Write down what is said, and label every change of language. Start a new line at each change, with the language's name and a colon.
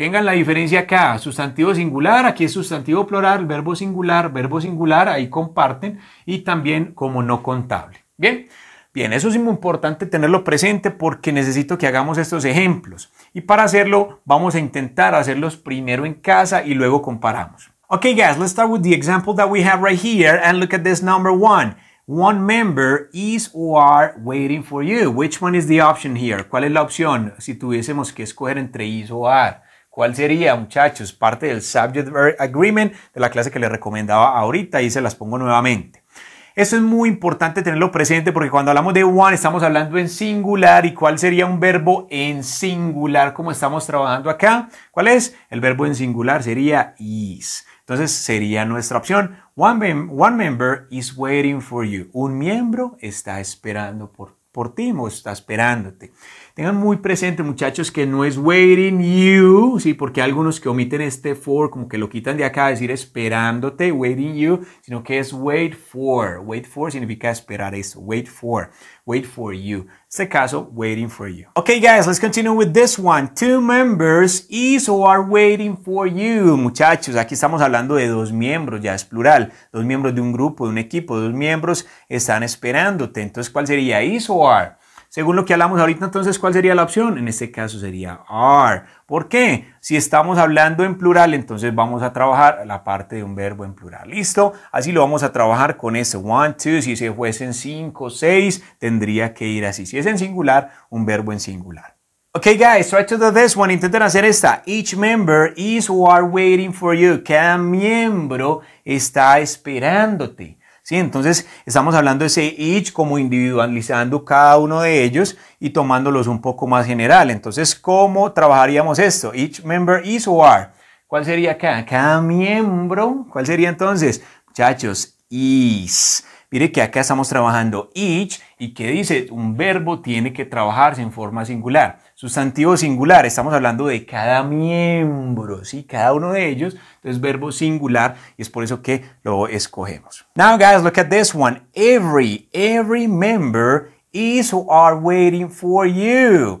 Spanish: Tengan la diferencia acá. Sustantivo singular, aquí es sustantivo plural, verbo singular, ahí comparten. Y también como no contable. ¿Bien? Bien, eso es muy importante tenerlo presente porque necesito que hagamos estos ejemplos. Y para hacerlo, vamos a intentar hacerlos primero en casa y luego comparamos.
English: Okay, guys, let's start with the example that we have right here and look at this number one. One member is or are waiting for you. Which one is the option here?
Spanish: ¿Cuál es la opción si tuviésemos que escoger entre is o are? ¿Cuál sería, muchachos? Parte del Subject Verb Agreement de la clase que les recomendaba ahorita y se las pongo nuevamente. Eso es muy importante tenerlo presente porque cuando hablamos de one estamos hablando en singular. ¿Y cuál sería un verbo en singular como estamos trabajando acá? ¿Cuál es? El verbo en singular sería is. Entonces sería nuestra opción.
English: One member is waiting for you.
Spanish: Un miembro está esperando por ti o está esperándote. Tengan muy presente, muchachos, que no es waiting you, ¿sí? Porque hay algunos que omiten este for, como que lo quitan de acá, decir esperándote, waiting you, sino que es wait for. Wait for significa esperar eso. Wait for you. En este caso,
English: waiting for you. Ok, guys, let's continue with this one. Two members is or are waiting for you.
Spanish: Muchachos, aquí estamos hablando de dos miembros, ya es plural. Dos miembros de un grupo, de un equipo, dos miembros están esperándote. Entonces, ¿cuál sería is or are? Según lo que hablamos ahorita, entonces, ¿cuál sería la opción? En este caso sería are. ¿Por qué? Si estamos hablando en plural, entonces vamos a trabajar la parte de un verbo en plural. ¿Listo? Así lo vamos a trabajar con ese one, two. Si se fuesen cinco, seis, tendría que ir así. Si es en singular, un verbo en singular.
English: Ok, guys, try to do this one.
Spanish: Intenten hacer esta.
English: Each member is or are waiting for you.
Spanish: Cada miembro está esperándote. ¿Sí? Entonces estamos hablando de ese each como individualizando cada uno de ellos y tomándolos un poco más general. Entonces, ¿cómo trabajaríamos esto?
English: Each member is or are.
Spanish: ¿Cuál sería acá? Cada miembro. ¿Cuál sería entonces? Muchachos, is. Mire que acá estamos trabajando each y que dice un verbo tiene que trabajarse en forma singular. Sustantivo singular, estamos hablando de cada miembro, ¿sí? Cada uno de ellos. Entonces, verbo singular y es por eso que lo escogemos.
English: Now, guys, look at this one. Every member is or are waiting for you.